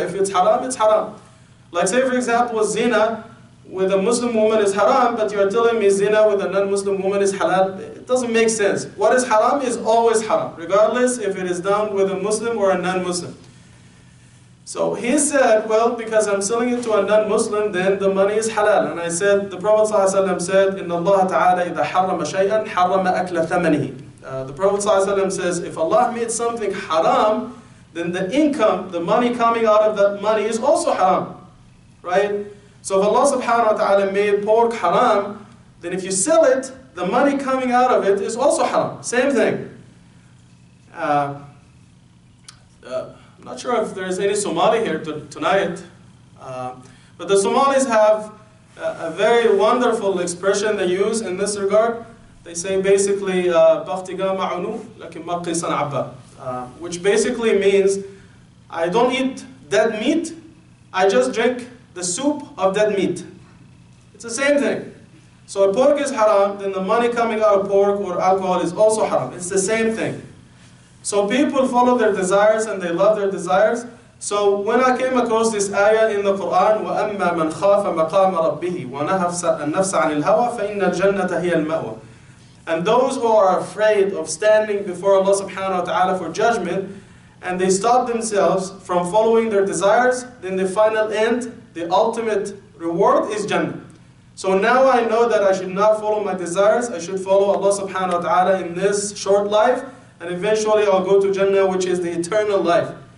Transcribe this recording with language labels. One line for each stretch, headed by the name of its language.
English: If it's haram, it's haram. Like, say, for example, zina with a Muslim woman is haram, but you're telling me zina with a non-Muslim woman is halal. It doesn't make sense. What is haram is always haram, regardless if it is done with a Muslim or a non-Muslim. So he said, well, because I'm selling it to a non-Muslim, then the money is halal. And I said, the Prophet ﷺ said,
Arabic: إِنَّ اللَّهَ تَعَالَى إِذَا حَرَّمَ شَيْئًا حَرَّمَ أَكْلَ ثَمَنِهِ.
English: The Prophet ﷺ says, if Allah made something haram, then the income, the money coming out of that money is also haram. Right? So if Allah subhanahu wa ta'ala made pork haram, then if you sell it, the money coming out of it is also haram. Same thing. I'm not sure if there is any Somali here tonight. But the Somalis have a very wonderful expression they use in this regard. They say basically,
Somali: Bakhtiga ma'unu lakin maqi san'abba,
English: which basically means, I don't eat dead meat, I just drink the soup of dead meat. It's the same thing. So if pork is haram, then the money coming out of pork or alcohol is also haram. It's the same thing. So people follow their desires and they love their desires. So when I came across this ayah in the Quran,
Arabic: وَأَمَّا مَنْ خَافَ مَقَامَ رَبِّهِ وَنَهَفْسَ النَّفْسَ عَنِ الْهَوَى فَإِنَّ الْجَنَّةَ هِيَ الْمَأْوَى.
English: And those who are afraid of standing before Allah subhanahu wa ta'ala for judgment, and they stop themselves from following their desires, then the final end, the ultimate reward is Jannah. So now I know that I should not follow my desires, I should follow Allah subhanahu wa ta'ala in this short life, and eventually I'll go to Jannah, which is the eternal life.